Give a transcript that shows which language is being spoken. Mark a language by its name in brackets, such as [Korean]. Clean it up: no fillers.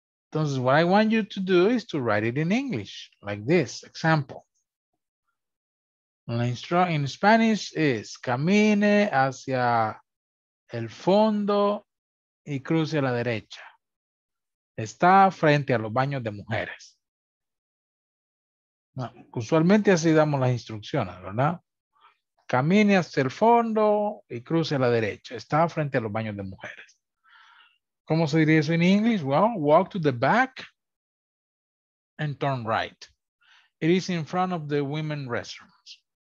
[English] Entonces, what I want you to do is to write it in English, like this example. In Spanish is [Spanish] camine hacia el fondo y cruce a la derecha. Está frente a los baños de mujeres. No, usualmente así damos las instrucciones, ¿verdad? Camine hacia el fondo y cruce a la derecha. Está frente a los baños de mujeres. ¿Cómo se diría eso en inglés? [English] Well, walk to the back and turn right. It is in front of the women's restrooms.